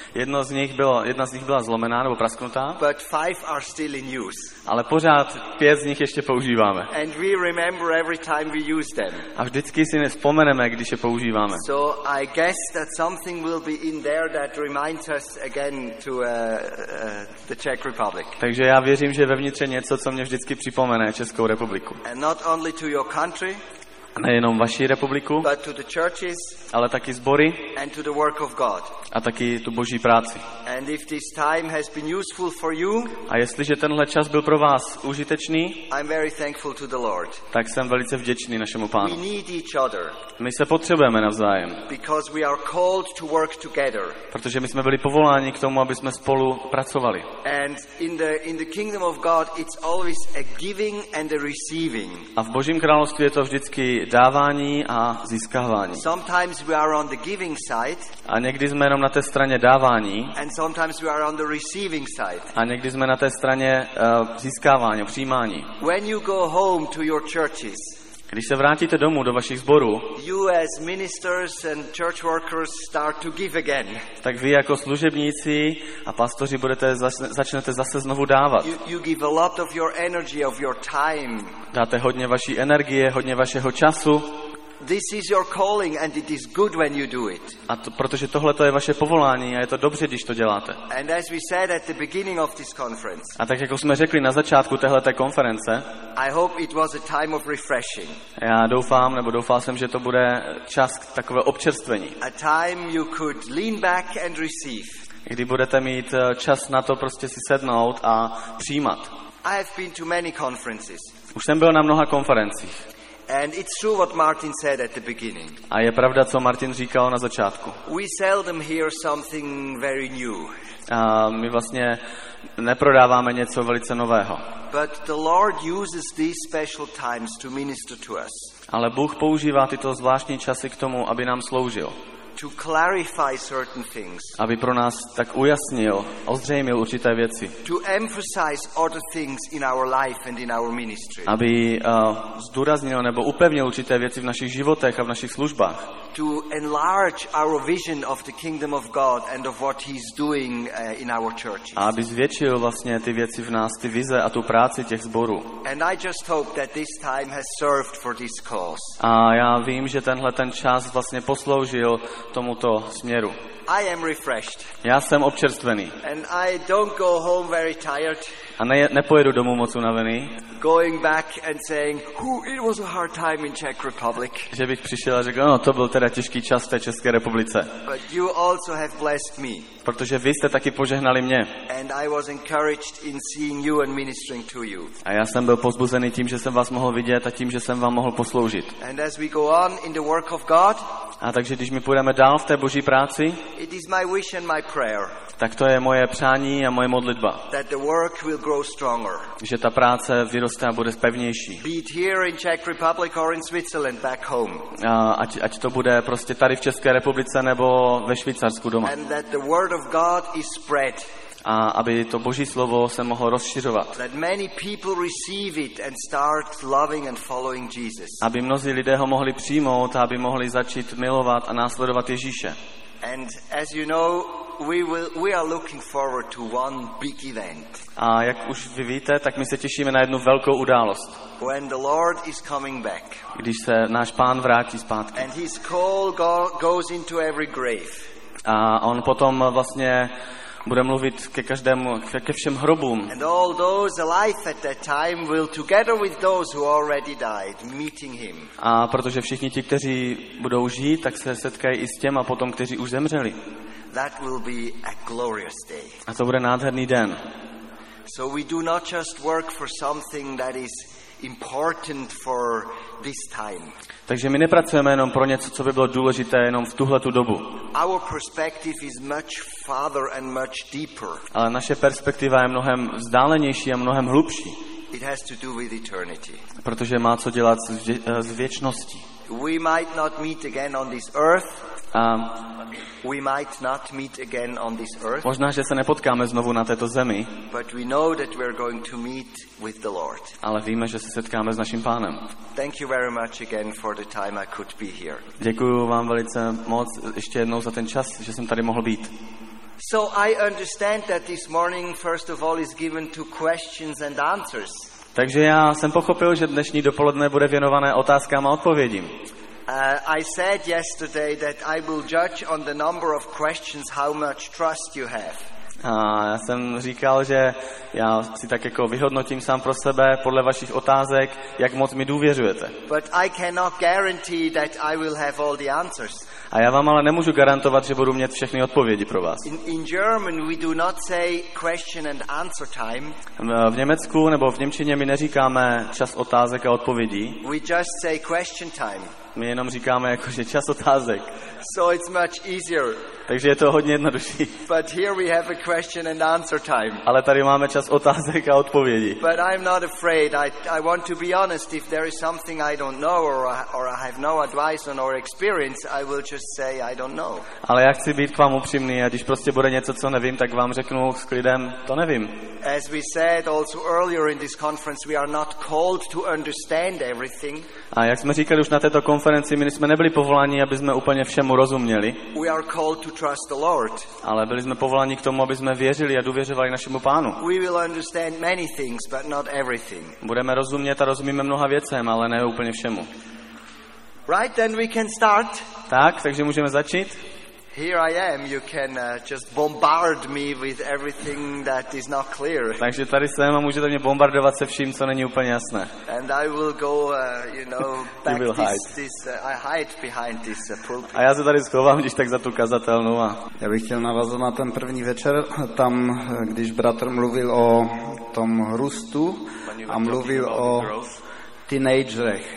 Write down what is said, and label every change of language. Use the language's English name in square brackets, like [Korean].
[Czech] Jedna z nich byla zlomená nebo prasknutá. [English] But five are still in use. [Czech] Ale pořád pět z nich ještě používáme. [English] And we remember every time we use them. [Czech] A vždycky si vzpomeneme, když je používáme. [English] So I guess that something will be in there that reminds us again to the Czech Republic. [Czech] Takže já věřím, že vevnitř je něco, co mě vždycky připomene Českou republiku. [English] And not only to your country. [Czech] A nejenom vaši republiku, [English] but to the churches, [Czech] ale taky sbory [English] and to the work of God. [Czech] A taky tu boží práci. [English] And if this time has been useful for you, [Czech] a jestliže tenhle čas byl pro vás užitečný, [English] I'm very thankful to the Lord. [Czech] Tak jsem velice vděčný našemu Pánu. [English] We need each other. [Czech] My se potřebujeme navzájem. [English] Because we are called to work together. [Czech] Protože my jsme byli povoláni k tomu, aby jsme spolu pracovali. [English] And in the kingdom of God, it's always a giving and a receiving. [Czech] A v Božím království je to vždycky dávání a získávání. [English] Sometimes we are on the giving side. [Czech] A někdy jsme jenom na té straně dávání. [English] And sometimes we are on the receiving side. [Czech] A někdy jsme na té straně získávání, přijímání. [English] When you go home to your churches. [Czech] Když se vrátíte domů do vašich sborů, [English] you as ministers and church workers start to give again. [Czech] Tak vy jako služebníci a pastoři budete začnete zase znovu dávat. [English] You give a lot of your energy, of your time. [Czech] Dáte hodně vaší energie, hodně vašeho času. [English] This is your calling and it is good when you do it. [Czech] A to, protože tohle to je vaše povolání a je to dobře, když to děláte. [English] And as we said at the beginning of this conference. [Czech] A tak jako jsme řekli na začátku téhleté konference. [English] I hope it was a time of refreshing. [Czech] Já doufám, nebo doufal jsem, že to bude čas takové občerstvení. [English] A time you could lean back and receive. [Czech] Kdy budete mít čas na to prostě si sednout a přijímat. [English] I have been to many conferences. [Czech] Už jsem byl na mnoha konferencích. [English] And it's true what Martin said at the beginning. [Czech] A je pravda, co Martin říkal na začátku. [English] We seldom hear something very new. [Czech] A my vlastně neprodáváme něco velice nového. [English] But the Lord uses these special times to minister to us. [Czech] Ale Bůh používá tyto zvláštní časy k tomu, aby nám sloužil. [English] To clarify certain things. [Czech] Aby pro nás tak ujasnil, ozřejmil určité věci. [English] To emphasize other things in our life and in our ministry. [Czech] Aby zdůraznil nebo upevnil určité věci v našich životech a v našich službách. [English] To enlarge our vision of the kingdom of God and of what he's doing in our churches. [Czech] A aby zvětšil vlastně ty věci v nás, ty vize a tu práci těch sborů. [English] And I just hope that this time has served for this cause. [Czech] A já vím, že tenhle ten čas vlastně posloužil tomuto směru. [English] I am refreshed. [Czech] Já jsem občerstvený. [English] And I don't go home very tired. [Czech] A nepojedu domů moc unavený. [English] Going back and saying, "Who? It was a hard time in Czech Republic." [Czech] Že bych přišel a řekl, no, to byl teda těžký čas v té České republice. [English] But you also have blessed me. [Czech] Protože vy jste taky požehnali mě. [English] And I was encouraged in seeing you and ministering to you. [Czech] A já jsem byl pozbuzený tím, že jsem vás mohl vidět a tím, že jsem vám mohl posloužit. [English] And as we go on in the work of God. [Czech] A takže když my půjdeme dál v té Boží práci, [English] it is my wish and my prayer, [Czech] tak to je moje přání a moje modlitba, [English] that the work will grow stronger, [Czech] že ta práce vyroste a bude pevnější. [English] Be it here in Czech Republic or in Switzerland back home. [Czech] Ať to bude prostě tady v České republice nebo ve Švýcarsku doma. [English] And that the word of God is spread. [Czech] A aby to Boží slovo se mohlo rozšiřovat. [English] That many people receive it and start loving and following Jesus. [Czech] Aby mnozí lidé ho mohli přijmout a aby mohli začít milovat a následovat Ježíše. [English] And as you know, we are looking forward to one big event. [Czech] A jak už vy víte, tak my se těšíme na jednu velkou událost. [English] When the Lord is coming back. [Czech] Když se náš Pán vrátí zpátky. [English] And his call goes into every grave. [Czech] A on potom vlastně bude mluvit ke každému, ke všem hrobům. [English] And all those alive at that time will together with those who already died meeting him. [Czech] A protože všichni ti, kteří budou žít, tak se setkají i s těma potom, kteří už zemřeli. [English] That will be a glorious day. [Czech] A to bude nádherný den. [English] So we do not just work for something that is important for this time. [Czech] Takže my nepracujeme jenom pro něco, co by bylo důležité jenom v tuhle tu dobu. [English] Our perspective is much farther and much deeper. [Czech] Ale naše perspektiva je mnohem vzdálenější a mnohem hlubší. [English] It has to do with eternity. [Czech] Protože má co dělat s věčností. [English] We might not meet again on this earth. We might not meet again on this earth. [Czech] Možná, že se nepotkáme znovu na této zemi. [English] But we know that we are going to meet with the Lord. [Czech] Ale víme, že se setkáme s naším Pánem. [English] Thank you very much again for the time I could be here. [Czech] Děkuju vám velice moc ještě jednou za ten čas, že jsem tady mohl být. [English] So I understand that this morning first of all is given to questions and answers. [Czech] Takže já jsem pochopil, že dnešní dopoledne bude věnované otázkám a odpovědím. [English] I said yesterday that I will judge on the number of questions how much trust you have. [Czech] A já jsem říkal, že já si tak jako vyhodnotím sám pro sebe podle vašich otázek, jak moc mi důvěřujete. [English] But I cannot guarantee that I will have all the answers. [Czech] A já vám ale nemůžu garantovat, že budu mít všechny odpovědi pro vás. [English] In German we do not say question and answer time. [Czech] V Německu nebo v němčině my neříkáme čas otázek a odpovědí. [English] We just say question time. [Czech] My jenom říkáme jako, že čas otázek. [English] So it's much easier. [Czech] Takže je to hodně jednodušší. [English] But here we have a question and answer time. [Czech] Ale tady máme čas otázek a odpovědi. [English] But I'm not afraid. I want to be honest. If there is something I don't know or I have no advice on or experience, I will just say I don't know. [Czech] Ale já chci být k vám upřímný a když prostě bude něco, co nevím, tak vám řeknu s klidem, to nevím. [English] As we said also earlier in this conference, we are not called to understand everything. [Czech] A jak jsme říkali už na této konferenci, my jsme nebyli povoláni, aby jsme úplně všemu rozuměli. [English] We are called to trust the Lord. [Czech] Ale byli jsme povoláni k tomu, aby jsme věřili a důvěřovali našemu Pánu. [English] We will understand many things, but not everything. [Czech] Budeme rozumět a rozumíme mnoha věcem, ale ne úplně všemu. [English] Right, then we can start. [Czech] Tak, takže můžeme začít. [English] Here I am. You can just bombard me with everything that is not clear. [Czech] Takže tady jsem a můžete mě bombardovat se vším, co není úplně jasné. [English] And I will go, you know, back you I hide behind this pulpit. [Czech] A já se tady schovám, když tak za tu kazatelnu. A já bych chtěl navazovat na ten první večer, tam, když bratr mluvil o tom růstu a mluvil o teenagerech.